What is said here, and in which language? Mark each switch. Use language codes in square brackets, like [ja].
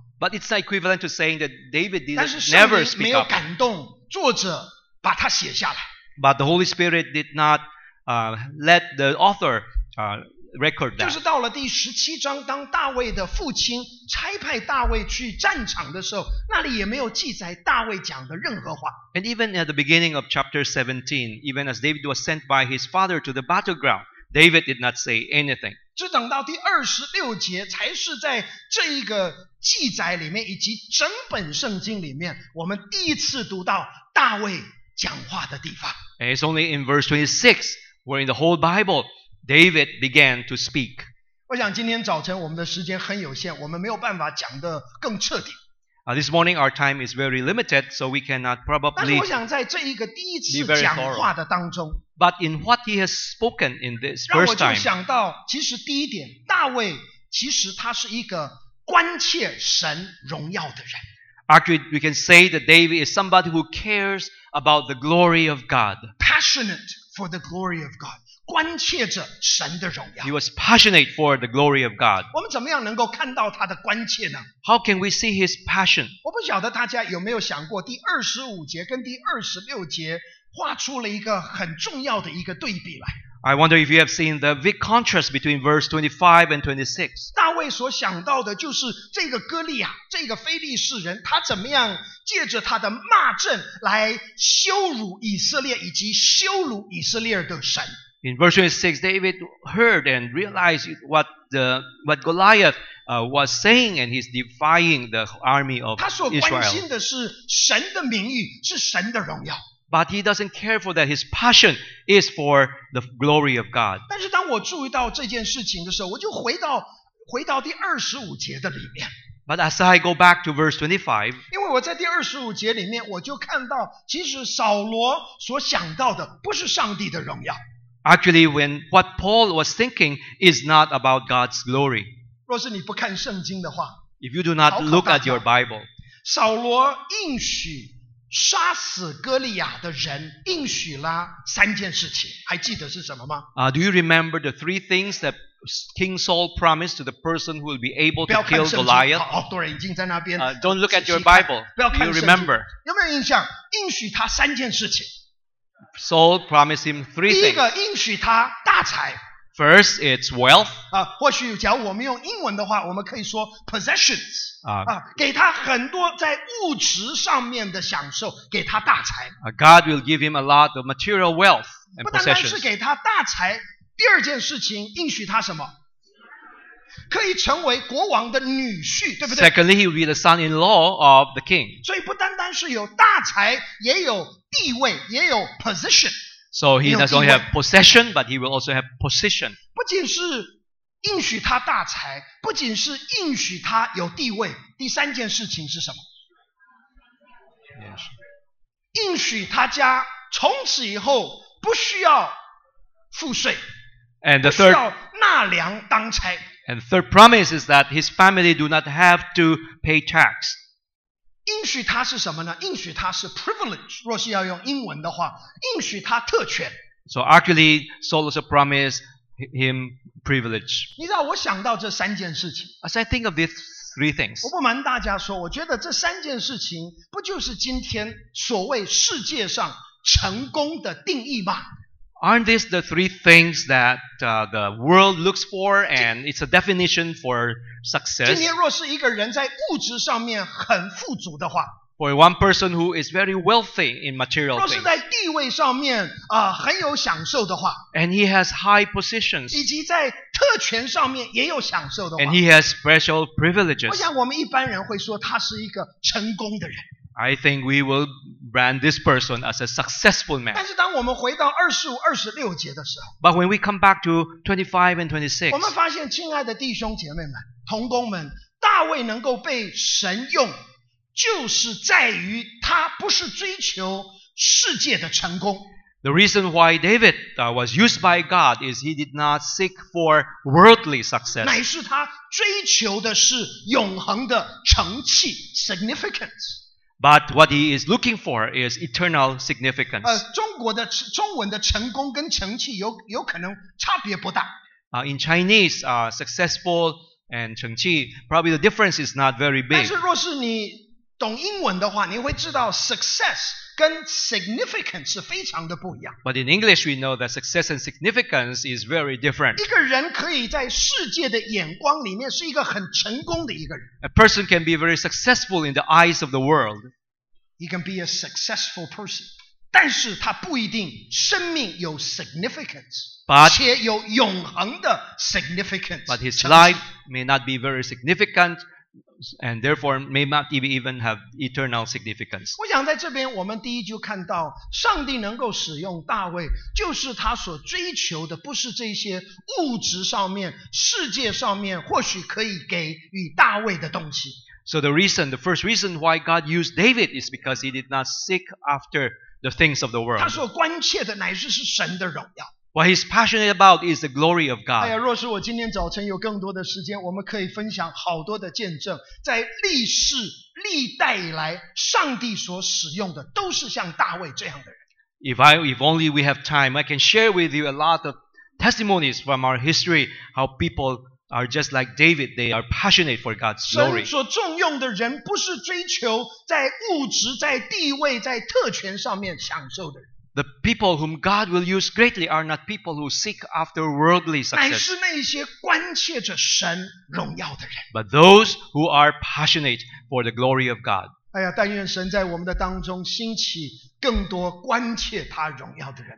[en] But it's equivalent to saying that David did never speak up. [zh] 没有感动作者把它写下来。 [en] But the Holy Spirit did not let the author record that. [zh] 就是到了第十七章，当大卫的父亲差派大卫去战场的时候，那里也没有记载大卫讲的任何话。 [en] And even at the beginning of chapter 17, even as David was sent by his father to the battleground, David did not say anything. [zh] 只等到第二十六节，才是在这一个记载里面以及整本圣经里面，我们第一次读到大卫讲话的地方。 [en] And it's only in verse 26, where in the whole Bible. David began to speak. [zh] 我想今天早晨我们的时间很有限，我们没有办法讲得更彻底。 [en] This morning our time is very limited, so we cannot probably. [zh] 但是我想在这一个第一次讲话的当中。 [en] But in what he has spoken in this first time. [zh] 让我就想到，其实第一点，大卫其实他是一个关切神荣耀的人。 [en] Actually, we can say that David is somebody who cares about the glory of God. Passionate for the glory of God. [zh] 关切着神的荣耀。 [en] He was passionate for the glory of God. [zh] 我们怎么样能够看到他的关切呢？ [en] How can we see his passion? [zh] 我不晓得大家有没有想过，第二十五节跟第二十六节画出了一个很重要的一个对比来。 [en] I wonder if you have seen the big contrast between verse 25 and 26. [zh] 大卫所想到的就是这个哥利亚，这个非利士人，他怎么样借着他的骂阵来羞辱以色列以及羞辱以色列的神。 [en] In verse 26, David heard and realized what Goliath was saying, and he's defying the army of Israel. [zh] 他所关心的是神的名誉，是神的荣耀。 [en] But he doesn't care for that. His passion is for the glory of God. [zh] 但是当我注意到这件事情的时候，我就回到第二十五节的里面。 [en] But as I go back to verse 25, [zh] 因为我在第二十五节里面，我就看到其实扫罗所想到的不是上帝的荣耀。 [en] Actually, when what Paul was thinking is not about God's glory. [zh] 若是你不看圣经的话， [en] if you do not look at your Bible, [zh] 扫罗应许杀死哥利亚的人应许了三件事情，还记得是什么吗？ [en] Do you remember the three things that King Saul promised to the person who will be able to kill Goliath? [zh] 好多人已经在那边。 [en] Don't look at your Bible. You remember? [zh] 有没有印象？应许他三件事情。 [en] Saul promised him three things. [zh] 第一个应许他大财。 [en] First, it's wealth. [zh] 或许假如我们用英文的话，我们可以说 possessions. 给他很多在物质上面的享受，给他大财。 [en] God will give him a lot of material wealth and possessions. [zh] 不单单是给他大财，第二件事情应许他什么？可以成为国王的女婿，对不对？ [en] Secondly, he will be the son-in-law of the king. [zh] 所以不单单是有大财，也有地位，也有 position。 [en] So he not only have possession, but he will also have position. [zh] 不仅是应许他大财，不仅是应许他有地位，第三件事情是什么？ [en] Yes. [zh] 应许他家从此以后不需要赋税， [en] and the third, [zh] 不需要纳粮当差。 [en] And third promise is that his family do not have to pay tax. [zh] 应许他是什么呢？应许他是 privilege. 若是要用英文的话，应许他特权。 [en] So actually, Saul also promised him privilege. [zh] 你知道我想到这三件事情。 [en] As I think of these three things. [zh] 我不瞒大家说，我觉得这三件事情不就是今天所谓世界上成功的定义吗？ [en] Aren't these the three things that the world looks for, and it's a definition for success? [zh] 今天若是一个人在物质上面很富足的话， [en] for one person who is very wealthy in material things, [zh] 若是在地位上面很有享受的话， [en] and he has high positions, [zh] 以及在特权上面也有享受的话， [en] and he has special privileges, [zh] 我想我们一般人会说他是一个成功的人。 [en] I think we will brand this person as a successful man. [zh] 但是当我们回到二十五、二十六节的时候， [en] But when we come back to 25 and 26, [zh] 我们发现，亲爱的弟兄姐妹们、同工们，大卫能够被神用，就是在于他不是追求世界的成功。 [en] The reason why David was used by God is he did not seek for worldly success. [zh] 乃是他追求的是永恒的成器 significance. [en] But what he is looking for is eternal significance. [zh] 中国的中文的成功跟成器有可能差别不大。 [en] In Chinese, successful and 成器 probably the difference is not very big. [zh] 但是若是你懂英文的话，你会知道 success 跟 significance 是非常的不一样。 [en] But in English, we know that success and significance is very different. [zh] 一个人可以在世界的眼光里面是一个很成功的一个人。 [en] A person can be very successful in the eyes of the world. He can be a successful person. [zh] 但是他不一定生命有 significance, [en] but, [zh] 且有永恒的 significance. [en] But his life may not be very significant. And therefore, may not even have eternal significance. [zh] 我想在这边，我们第一就看到，上帝能够使用大卫，就是他所追求的，不是这些物质上面、世界上面或许可以给予大卫的东西。 [en] So the reason, the first reason why God used David is because he did not seek after the things of the world. [zh] 他所关切的乃是是神的荣耀。 [en] What he's passionate about is the glory of God. [zh] 哎呀，若是我今天早晨有更多的时间，我们可以分享好多的见证，在历世历代以来，上帝所使用的都是像大卫这样的人。 [en] If only we have time, I can share with you a lot of testimonies from our history how people are just like David. They are passionate for God's glory. [zh] 神所重用的人，不是追求在物质、在地位、在特权上面享受的人。 [en] The people whom God will use greatly are not people who seek after worldly success. [zh] 乃是那些关切着神荣耀的人。 [en] But those who are passionate for the glory of God. [zh] 哎呀，但愿神在我们的当中兴起更多关切他荣耀的人。